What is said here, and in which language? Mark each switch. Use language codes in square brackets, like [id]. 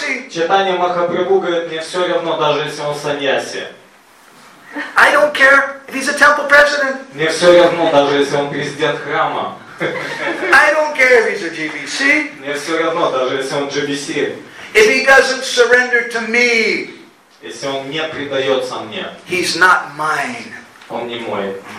[ru] Читание Махапрабху говорит, мне все равно, даже если он саньяси. [en] I don't care if he's a temple president. [ru] Мне все равно, даже если он президент храма. [en] I don't care if he's a GBC. [ru] Мне все равно, даже если он GBC. [en] If he doesn't surrender to me. [ru] Если он не предается мне. [en] He's not mine. [ru] Он не мой.